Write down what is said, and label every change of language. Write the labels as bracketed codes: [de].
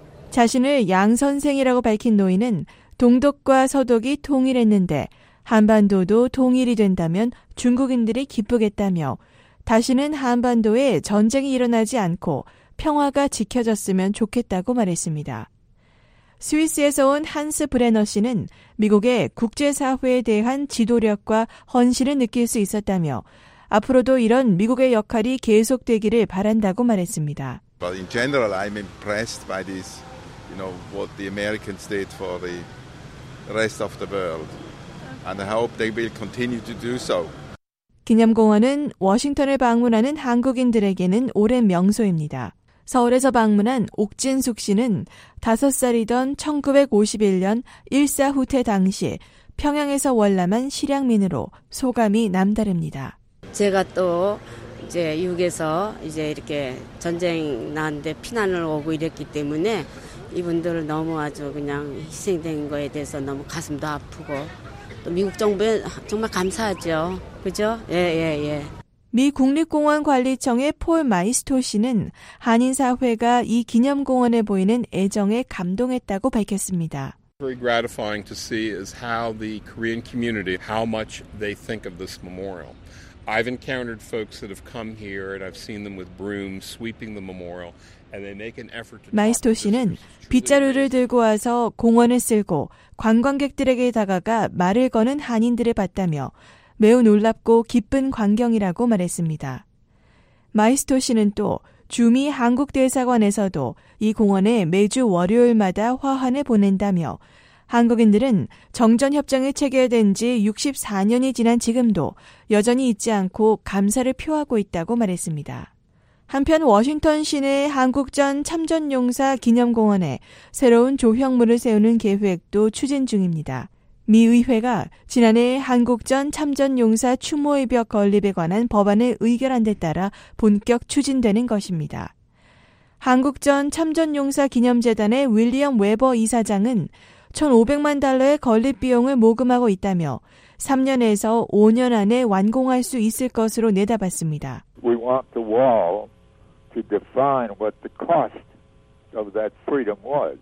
[ko] 자신을 양선생이라고 밝힌 노인은 동독과 서독이 통일했는데 한반도도 통일이 된다면 중국인들이 기쁘겠다며 다시는 한반도에 전쟁이 일어나지 않고 평화가 지켜졌으면 좋겠다고 말했습니다. 스위스에서 온 한스 브레너 씨는 미국의 국제사회에 대한 지도력과 헌신을 느낄 수 있었다며 앞으로도 이런 미국의 역할이 계속되기를 바란다고 말했습니다. [en] But in general, I'm impressed by this, you know, what the Americans did for the rest of the world. And I hope they will continue to do so. [ko] 기념공원은 워싱턴을 방문하는 한국인들에게는 오랜 명소입니다. 서울에서 방문한 옥진숙 씨는 5살이던 1951년 일사 후퇴 당시 평양에서 월남한 실향민으로 소감이 남다릅니다. 제가 또 이제 6에서 이제 이렇게 전쟁 나는데 피난을 오고 이랬기 때문에 이분들을 너무 아주 그냥 희생된 거에 대해서 너무 가슴도 아프고 또 미국 정부에 정말 감사하죠. 그죠? 예, 예, 예. 미 국립공원 관리청의 폴 마이스토 씨는 한인 사회가 이 기념공원에 보이는 애정에 감동했다고 밝혔습니다. [en] Very gratifying to see is how the Korean community how much they think of this memorial. I've encountered folks that have come here and I've seen them with brooms sweeping the memorial and they make an effort to [ko] 마이스토 씨는 빗자루를 들고 와서 공원을 쓸고 관광객들에게 다가가 말을 거는 한인들을 봤다며 매우 놀랍고 기쁜 광경이라고 말했습니다. 마이스토 씨는 또 주미 한국대사관에서도 이 공원에 매주 월요일마다 화환을 보낸다며 한국인들은 정전협정이 체결된 지 64년이 지난 지금도 여전히 잊지 않고 감사를 표하고 있다고 말했습니다. 한편 워싱턴 시내 한국전 참전용사 기념공원에 새로운 조형물을 세우는 계획도 추진 중입니다. 미 의회가 지난해 한국전 참전용사 추모의 벽 건립에 관한 법안을 의결한 데 따라 본격 추진되는 것입니다. 한국전 참전용사 기념재단의 윌리엄 웨버 이사장은 1,500만 달러의 건립 비용을 모금하고 있다며 3년에서 5년 안에 완공할 수 있을 것으로 내다봤습니다. [en] We want the wall to define what the cost of that freedom was.